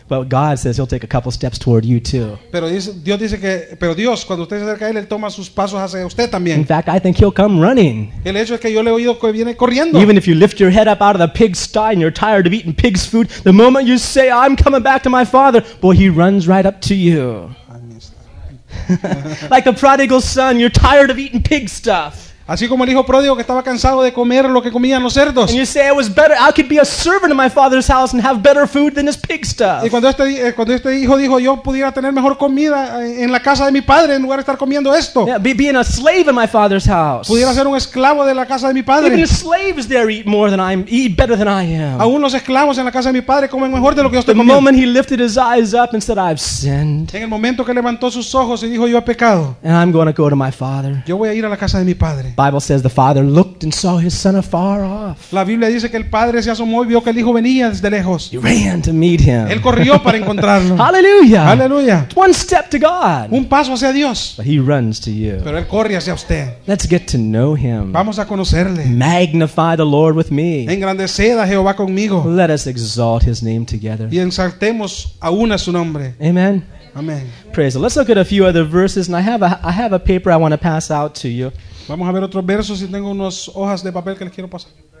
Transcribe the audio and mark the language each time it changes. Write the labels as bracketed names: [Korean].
[English] But God says he'll take a couple steps toward you too. [Spanish] Pero Dios dice que, pero Dios cuando usted se acerca a él, él toma sus pasos hacia usted también. [English] In fact, I think he'll come running. [Spanish] El hecho es que yo le he oído que viene corriendo. [English] Even if you lift your head up out of the pigsty and you're tired of eating pig's food, the moment you say, I'm coming back to my father, boy, he runs right up to you. Like the prodigal son, you're tired of eating pig stuff. [Spanish] Así como el hijo pródigo que estaba cansado de comer lo que comían los cerdos. [English] And you say it was better. I could be a servant in my father's house and have better food than this pig stuff. [Spanish] Y cuando este hijo dijo yo pudiera tener mejor comida en la casa de mi padre en lugar de estar comiendo esto. [English] Yeah, being a slave in my father's house. [Spanish] Pudiera ser un esclavo de la casa de mi padre. [English] Even the slaves there eat more than I'm eat better than I am. [Spanish] Aún los esclavos en la casa de mi padre comen mejor de lo que yo estoy comiendo. [English] The moment he lifted his eyes up and said I've sinned. [Spanish] En el momento que levantó sus ojos y dijo yo he pecado. [English] And I'm going to go to my father. [Spanish] Yo voy a ir a la casa de mi padre. [English] Bible says the father looked and saw his son afar off. [Spanish] La Biblia dice que el padre se asomó y vio que el hijo venía desde lejos. [English] He ran to meet him. [Spanish] Él corrió para encontrarlo. [English] Hallelujah. Hallelujah. One step to God. [Spanish] Un paso hacia Dios. [English] But he runs to you. [Spanish] Pero él corre hacia usted. [English] Let's get to know him. [Spanish] Vamos a conocerle. [English] Magnify the Lord with me. [Spanish] Engrandeced a Jehová conmigo. [English] Let us exalt his name together. [Spanish] Y ensaltemos a una su nombre. [English] Amen. Amen. Praise the Lord. Let's look at a few other verses, and I have a paper I want to pass out to you. [Spanish] Vamos a ver otros versos y tengo unas hojas de papel que les quiero pasar.